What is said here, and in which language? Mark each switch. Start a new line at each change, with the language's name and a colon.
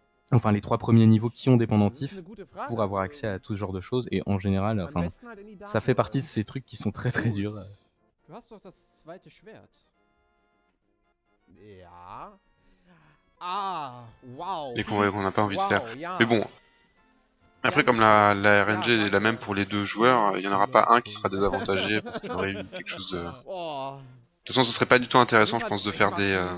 French: Enfin, les 3 premiers niveaux qui ont des pendentifs pour avoir accès à tout ce genre de choses. Et en général, enfin, ça fait partie de ces trucs qui sont très très durs.
German: Tu as doch das zweite Schwert. Ja. Ah, wow.
French: Des combats qu'on n'a pas envie de faire. Mais bon. Après, comme la RNG est la même pour les deux joueurs, il n'y en aura pas un qui sera désavantagé parce qu'il aurait eu quelque chose de. De toute façon, ce serait pas du tout intéressant, je pense, de faire des.